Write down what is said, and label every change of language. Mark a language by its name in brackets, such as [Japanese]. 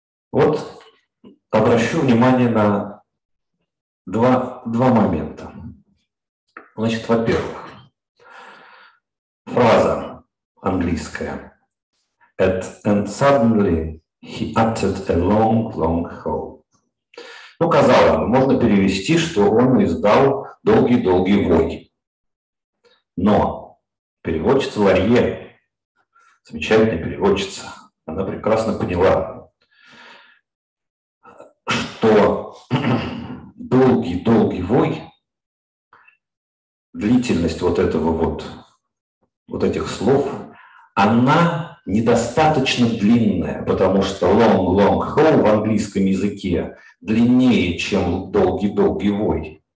[Russian] Вот обращу внимание на два момента. Значит, во-первых, фраза английская. [English] And suddenly he uttered a long, long howl. [Russian] Ну, казалось бы, можно перевести, что он издал долгий-долгий вой. Но переводчица Ларье, замечательная переводчица, она прекрасно поняла, что долгий-долгий вой, длительность вот этого вот, вот этих слов, она недостаточно длинная, потому что [English] long-long howl [Russian] в английском языке длиннее, чем долгий-долгий вой.